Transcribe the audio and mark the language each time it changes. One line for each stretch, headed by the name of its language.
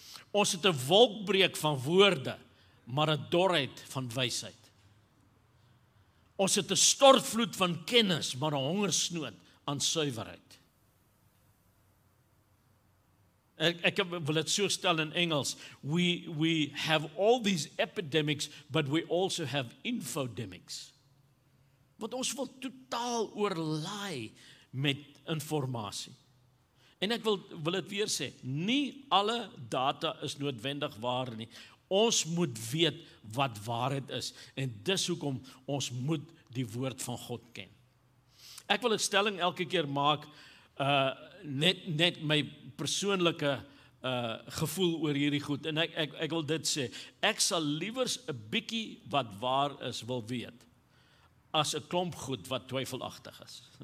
Afrikaans: Ons het 'n wolkbreek van woorde, maar 'n dorheid van wysheid. Ons het 'n stortvloed van kennis, maar 'n hongersnood aan suiwerheid. Ek wil dit so stel in Engels.
English: We have all these epidemics, but we also have infodemics.
Afrikaans: Want ons word totaal oorlaai met informatie. En ek wil dit weer sê, nie alle data is noodwendig waar nie. Ons moet weet wat waarheid is. En dis hoekom ons moet die woord van God ken. Ek wil 'n stelling elke keer maak, net my persoonlike gevoel oor hierdie goed. En ek wil dit sê, ek sal liewers 'n bietjie wat waar is wil weet, as 'n klomp goed wat twyfelagtig is.